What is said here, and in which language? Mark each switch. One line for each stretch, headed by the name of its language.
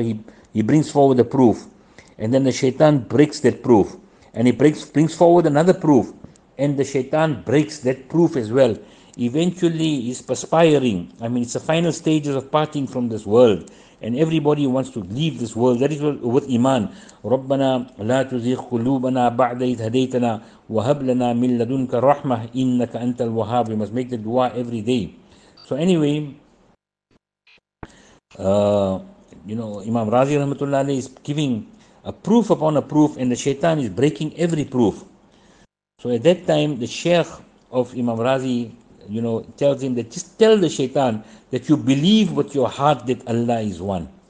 English: So he brings forward a proof. And then the shaitan breaks that proof. And he brings forward another proof. And the shaitan breaks that proof as well. Eventually, he's perspiring. I mean, it's the final stages of parting from this world. And everybody wants to leave this world. That is with iman.
Arabic: رَبَّنَا لَا تُزِغْ قُلُوبَنَا بَعْدَ إِذْ هَدَيْتَنَا وَهَبْ لَنَا مِنْ لَدُنْكَ رَحْمَةً إِنَّكَ أَنْتَ الْوَهَابِ.
English: We must make the dua every day. So anyway, you know, Imam Razi rahmatullah alayhi is giving a proof upon a proof, and the shaitan is breaking every proof. So at that time, the sheikh of Imam Razi, you know, tells him that just tell the shaitan that you believe with your heart that Allah is one.